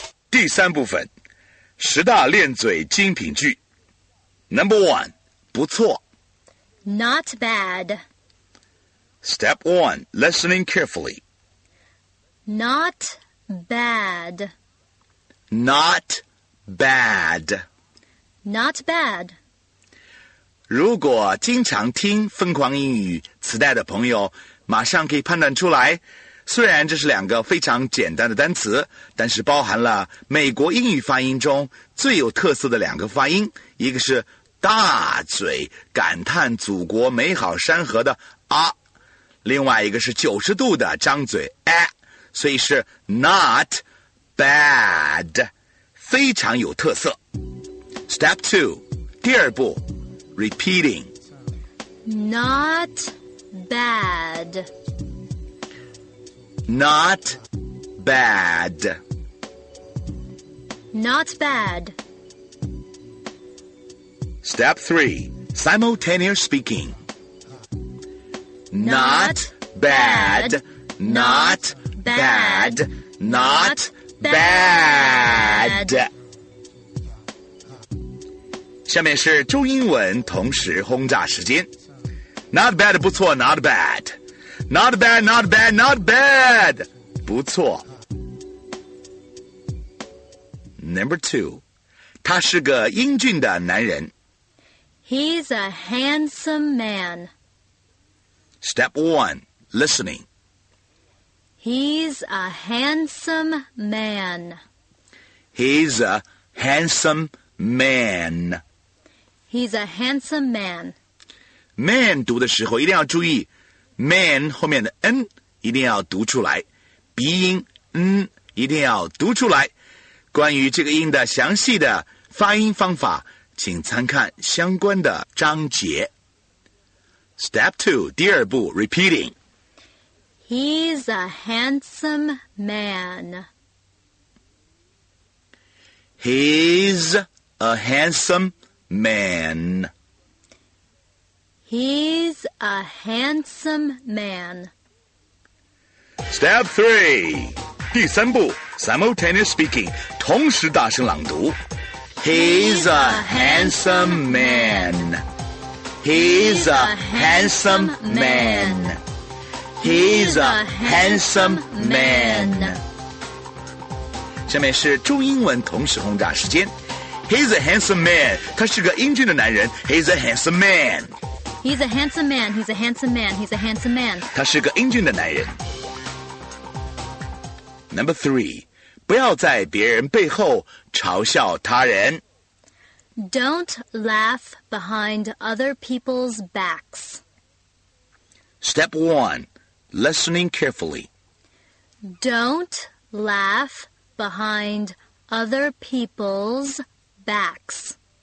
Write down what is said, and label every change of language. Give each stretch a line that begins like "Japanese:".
Chinese: 第三部分，十大练嘴精品句。
English: Number one,
Chinese: 不错。
English: Not bad. Step one, listening carefully. Not bad. Not bad. Not bad.
Chinese: 如果经常听疯狂英语磁带的朋友，马上可以判断出来。虽然这是两个非常简单的单词，但是包含了美国英语发音中最有特色的两个发音，一个是大嘴感叹祖国美好山河的啊，另外一个是90度的张嘴啊，所以是
English: not bad，
Chinese: 非常有特色。
English: Step 2，
Chinese: 第二步
English: repeating not bad Not bad. Not bad. Step 3. Simultaneous speaking. Not bad. Not bad. Not bad.
Chinese: 下面是中英文同时轰炸时间。
English: Not bad,
Chinese: 不错,
English: not bad. Not bad, not bad, not bad.
Chinese: 不错。
English: Number two,
Chinese: 他是个英俊的男人。
English: He's a handsome man. Step one, listening. He's a handsome man. He's a handsome man. He's a handsome man.
Chinese: Man 读的时候一定要注意 ，man 后面的 n 一定要读出来，鼻音 n 一定要读出来。关于这个音的详细的发音方法，请参看相关的章节。
English: Step 2,
Chinese: 第二步
English: repeating. He's a handsome man. He's a handsome man. He's a handsome man. Step 3,
Chinese: 第三步
English: simultaneous speaking,
Chinese: 同时大声朗读。
English: He's a handsome man. He's a handsome man. He's a handsome man.
Chinese: 下面是中英文同时轰炸时间。
English: He's a handsome man.
Chinese: 他是个英俊的男人。
English: He's a handsome man. He's a handsome man. He's a handsome man. He's a handsome man.
Chinese: 他是个英俊的男人。
English: Number 3,
Chinese: 不要在别人背后嘲笑他人。
English: Don't laugh behind other people's backs. Step 1, listening carefully. Don't laugh behind other people's backs.